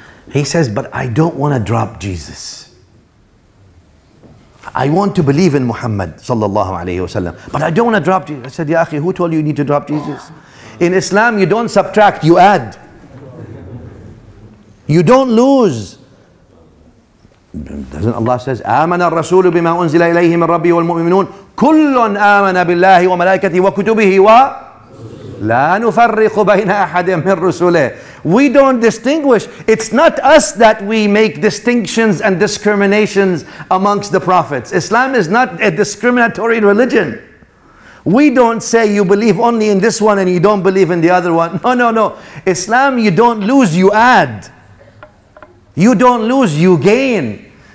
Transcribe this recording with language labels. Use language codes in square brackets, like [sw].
[en] He says, but I don't want to drop Jesus. I want to believe in Muhammad sallallahu alayhi wa sallam, but I don't want to drop Jesus. I said, ya akhi, who told you need to drop Jesus? In Islam, you don't subtract, you add. You don't lose. Doesn't Allah says, [ar] آمَنَ الرَّسُولُ بِمَا أُنزِلَ إِلَيْهِ مِنْ رَبِّهِ وَالْمُؤْمِنُونَ كُلٌّ آمَنَ بِاللَّهِ وَمَلَائِكَتِهِ وَكُتُبِهِ وَلَا نُفَرِّقُ بَيْنَ أَحَدٍ مِنْ رُسُولِهِ [en] We don't distinguish. It's not us that we make distinctions and discriminations amongst the prophets. Islam is not a discriminatory religion. We don't say you believe only in this one and you don't believe in the other one. No, no, no. Islam, you don't lose, you add. You don't lose, you gain.